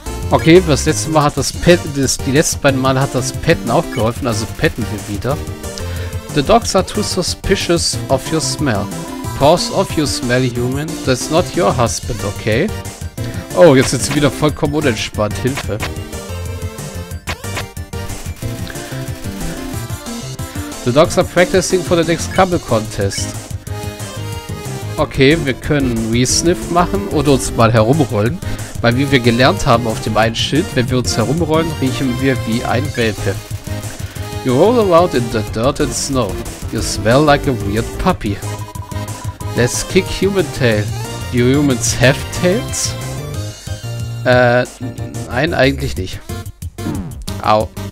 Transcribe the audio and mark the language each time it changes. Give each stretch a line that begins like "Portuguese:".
German: Okay, das letzte Mal hat das Pet, die letzten beiden Mal hat das Petten auch geholfen, also petten wir wieder.
English: The dogs are too suspicious of your smell. Pause of your smell, human. That's not your husband, okay?
German: Oh, jetzt sind sie wieder vollkommen unentspannt. Hilfe.
English: The dogs are practicing for the next couple contest.
German: Okay, wir können Re-Sniff machen oder uns mal herumrollen. Weil wie wir gelernt haben auf dem einen Schild, wenn wir uns herumrollen, riechen wir wie ein Welpe.
English: You roll around in the dirt and snow. You smell like a weird puppy. Let's kick human tail. Do humans have tails?
German: Nein, eigentlich nicht. Au.